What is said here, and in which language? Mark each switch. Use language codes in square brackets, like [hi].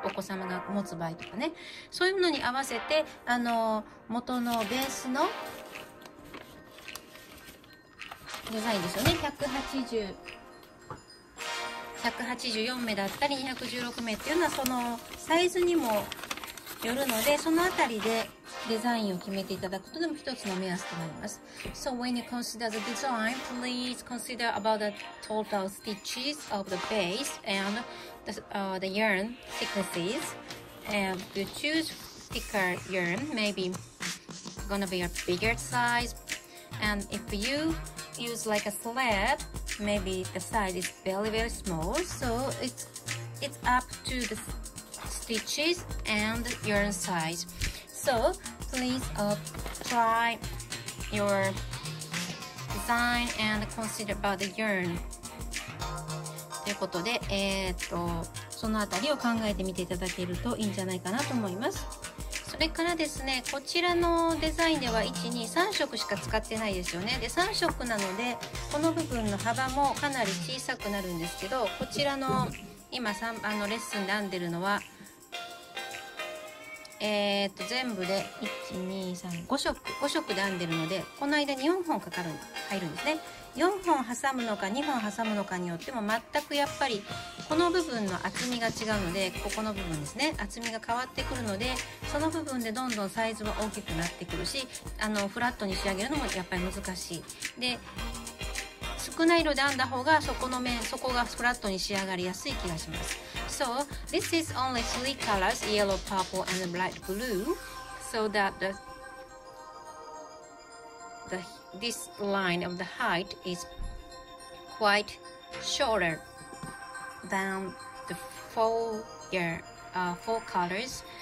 [ja] お子様が持つ場合とかね。そういうのに合わせて元のベースのデザインですよね。 184目だったり216目っていうのはそのサイズにもよるので、そのあたりでデザインを決めていただくことでも一つの目安となります。 [en] So when you consider the design, please consider about the total stitches of the base and the yarn thicknesses. And you choose thicker yarn, maybe gonna be a bigger size. And if you use like a slab, maybe the size is very, very small. So it's up to the stitches and yarn size. So, please try your design and consider about the yarn. [ja] ということで、そのあたりを考えてみていただけるといいんじゃないかなと思います。それからですね、こちらのデザインでは1、2、3色しか使ってないですよね。で、3色なので、この部分の幅もかなり小さくなるんですけど、こちらの今3番のレッスンで編んでるのは、全部で1、2、3、5色、5色で編んでるので、この間に4本かかる、入るんですね。 4本挟むのか2本挟むのかによっても全くやっぱりこの部分の厚みが違うので、ここの部分ですね、厚みが変わってくるので、その部分でどんどんサイズは大きくなってくるし、フラットに仕上げるのもやっぱり難しい。で、少ない色で編んだ方が底の面、底がフラットに仕上がりやすい気がします。 [en] So, this is only three colors, yellow, purple, and light blue, so that this line of the height is quite shorter than the four colors.